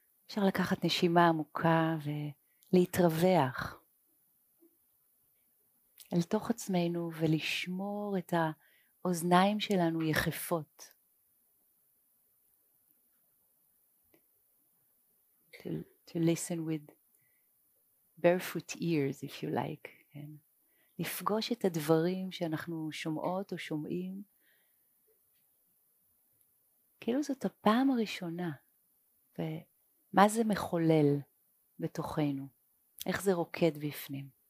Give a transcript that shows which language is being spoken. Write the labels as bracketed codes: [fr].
[he] אפשר לקחת נשימה עמוקה ולהתרווח אל תוך עצמנו ולשמור את האוזניים שלנו יחפות. [en] To listen with barefoot ears if you like. [he] כן? לפגוש את הדברים שאנחנו שומעות או שומעים כאילו זאת הפעם הראשונה ו... מה זה מחולל בתוכנו? איך זה רוקד בפנים?